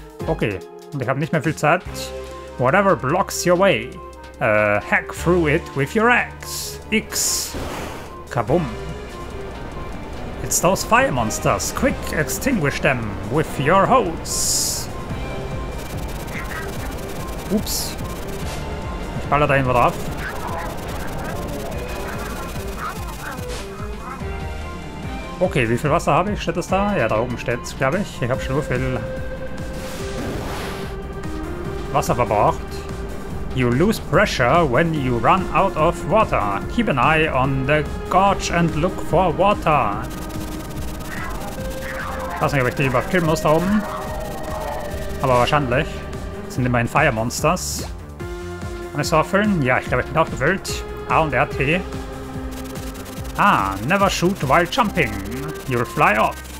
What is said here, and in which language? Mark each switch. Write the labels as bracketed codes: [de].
[de] Okay, und ich habe nicht mehr viel Zeit. [en] Whatever blocks your way, hack through it with your axe. X. Kaboom. It's those fire monsters. Quick, extinguish them with your hose. [de] Ups. Ich baller da irgendwo drauf. Okay, wie viel Wasser habe ich? Steht das da? Ja, da oben steht es, glaube ich. Ich habe schon nur viel Wasser verbraucht. [en] You lose pressure when you run out of water. Keep an eye on the gorge and look for water. [de] Ich weiß nicht, ob ich die überhaupt killen muss da oben. Aber wahrscheinlich. Sind immerhin Fire Monsters. Kann ich so erfüllen? Ja, ich glaube, ich bin aufgefüllt. A und RT. [en] Ah, never shoot while jumping. You'll fly off.